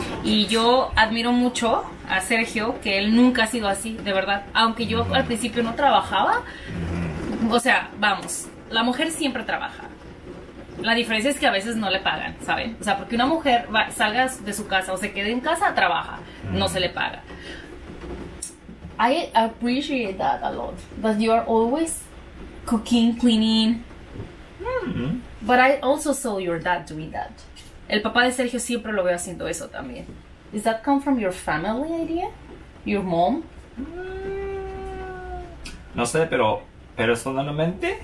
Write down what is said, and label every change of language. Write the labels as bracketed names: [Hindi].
[Spanish] Y yo admiro mucho a Sergio, que él nunca ha sido así, de verdad. Aunque yo al principio no trabajaba, o sea, vamos, la mujer siempre trabaja. La diferencia es que a veces no le pagan, ¿saben? O sea, porque una mujer salga de su casa o se quede en casa, trabaja, no se le paga. [English] I appreciate that a lot. But you're always cooking, cleaning. Mm-hmm. But I also saw your dad doing that. [Spanish] El papá de Sergio siempre lo veo haciendo eso también. [English] Does that come from your family idea? Your mom? Mm. [Spanish] No sé, pero personalmente.